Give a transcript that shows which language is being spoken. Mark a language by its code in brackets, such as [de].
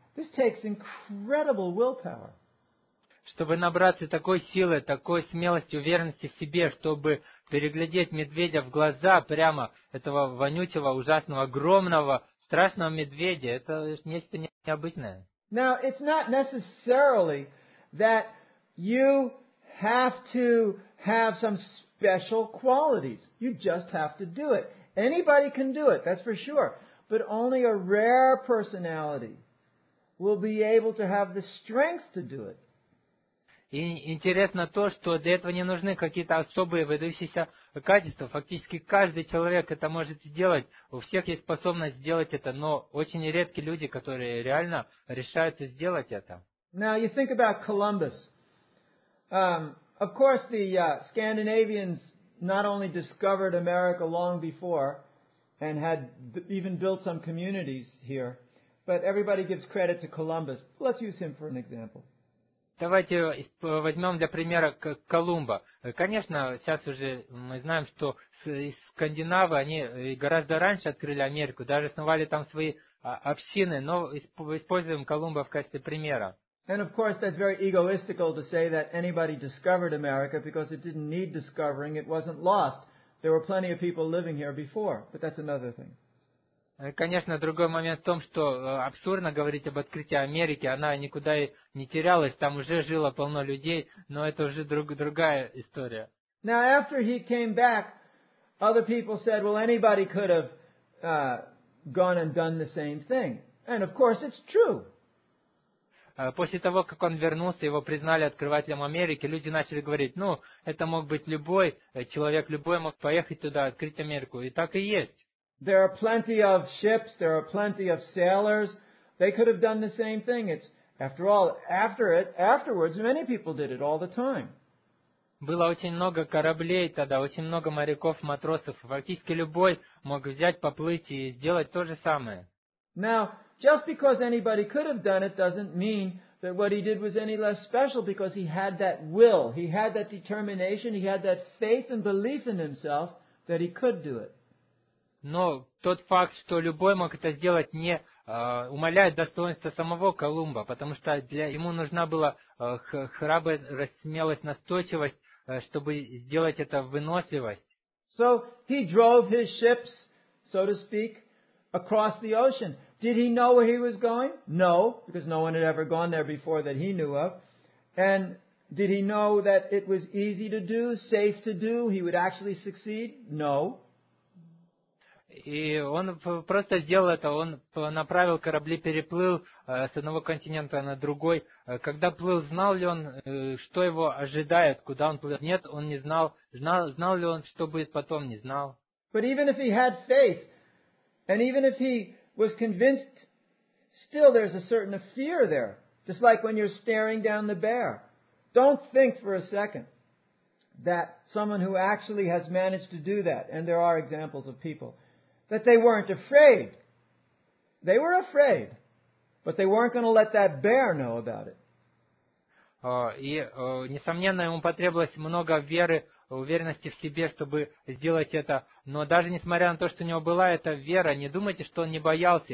[en] This takes incredible willpower. [ru] Чтобы набраться такой силы, такой смелости, уверенности в себе, чтобы переглядеть медведя в глаза прямо этого вонючего, ужасного, огромного, страшного медведя, это нечто необычное. [en] Now, it's not necessarily that you have to have some special qualities. You just have to do it. Anybody can do it, that's for sure. But only a rare personality will be able to have the strength to do it. [ru] И интересно то, что для этого не нужны какие-то особые выдающиеся качества. Фактически каждый человек это может сделать. У всех есть способность сделать это, но очень редки люди, которые реально решаются сделать это. [en] Now you think about Columbus. Of course, the Scandinavians not only discovered America long before and had even built some communities here, but everybody gives credit to Columbus. Let's use him for an example. [ru] Давайте возьмем для примера Колумба. Конечно, сейчас уже мы знаем, что скандинавы, они гораздо раньше открыли Америку, даже основали там свои общины, но используем Колумба в качестве примера. [en] And of course, that's very egoistical to say that anybody discovered America because it didn't need discovering, it wasn't lost. There were plenty of people living here before, but that's another thing. [ru] Конечно, другой момент в том, что абсурдно говорить об открытии Америки, она никуда и не терялась, там уже жило полно людей, но это уже другая история. [en] Now, after he came back, other people said, well, anybody could have gone and done the same thing. And, of course, it's true. [ru] После того, как он вернулся, его признали открывателем Америки, люди начали говорить, ну, это мог быть любой человек, любой мог поехать туда, открыть Америку, и так и есть. [en] There are plenty of ships, there are plenty of sailors. They could have done the same thing. It's, after all, afterwards, many people did it all the time. [ru] Было очень много кораблей тогда, очень много моряков, матросов. Фактически любой мог взять, поплыть и сделать то же самое. [en] Now, just because anybody could have done it doesn't mean that what he did was any less special because he had that will, he had that determination, he had that faith and belief in himself that he could do it. [ru] Но тот факт, что любой мог это сделать, не умаляет достоинства самого Колумба, потому что для ему нужна была храбрость, смелость, настойчивость, чтобы сделать это выносливость. [en] So he drove his ships, so to speak, across the ocean. Did he know where he was going? No, because no one had ever gone there before that he knew of. And did he know that it was easy to do, safe to do, he would actually succeed? No. [ru] И он просто сделал это, он направил корабли, переплыл с одного континента на другой. Когда плыл, знал ли он, что его ожидает, куда он плывет? Нет, он не знал. Знал ли он, что будет потом? Не знал. [en] But even if he had faith, and even if he was convinced, still there's a certain fear there. Just like when you're staring down the bear. Don't think for a second that someone who actually has managed to do that, and there are examples of people, that they weren't afraid. They were afraid, but they weren't going to let that bear know about it. [ru] И несомненно ему потребовалось много веры, уверенности в себе, чтобы сделать это. Но даже несмотря на то, что у него была эта вера, не думайте, что он не боялся.